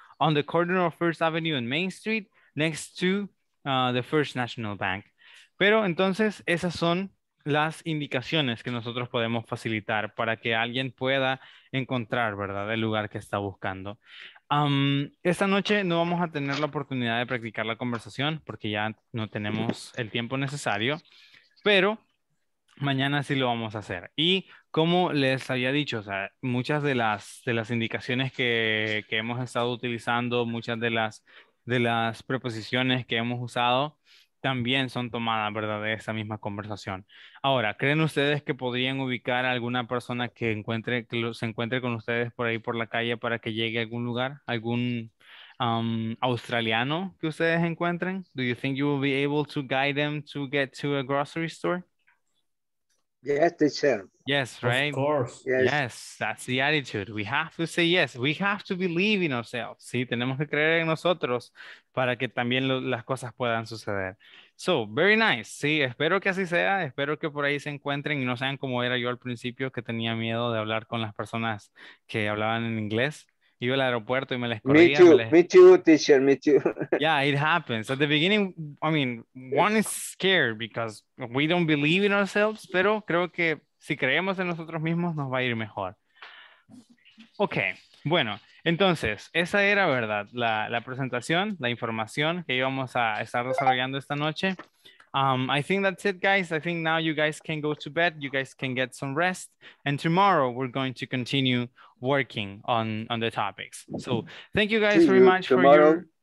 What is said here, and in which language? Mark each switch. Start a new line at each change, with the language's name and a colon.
English: On the corner of First Avenue and Main Street, next to the First National Bank.
Spanish: Pero entonces, esas son las indicaciones que nosotros podemos facilitar para que alguien pueda encontrar, ¿verdad?, el lugar que está buscando. Esta noche no vamos a tener la oportunidad de practicar la conversación porque ya no tenemos el tiempo necesario, pero mañana sí lo vamos a hacer. Y como les había dicho, o sea, muchas de las indicaciones que hemos estado utilizando, muchas de las preposiciones que hemos usado, también son tomadas, ¿verdad?, de esa misma conversación. Ahora, ¿creen ustedes que podrían ubicar a alguna persona que se encuentre con ustedes por ahí por la calle para que llegue a algún lugar? ¿Algún australiano que ustedes encuentren?
English: Do you think you will be able to guide them to get to a grocery store? Yes, teacher. Yes, right? Of course. Yes, that's the attitude. We have to say yes. We have to believe in ourselves.
Spanish: Sí, tenemos que creer en nosotros para que también las cosas puedan suceder.
English: So, very nice.
Spanish: Sí, espero que así sea. Espero que por ahí se encuentren y no sean como era yo al principio, que tenía miedo de hablar con las personas que hablaban en inglés. Iba al aeropuerto y me les corría.
English: Me too, teacher. Yeah, it happens. At the beginning, I mean, one is scared because we don't believe in ourselves,
Spanish: pero creo que si creemos en nosotros mismos, nos va a ir mejor. Ok, bueno, entonces, esa era, ¿verdad?, la presentación, la información que íbamos a estar desarrollando esta noche.
English: I think that's it, guys. I think now you guys can go to bed. You guys can get some rest. And tomorrow, we're going to continue working on the topics. So, thank you guys very much for your...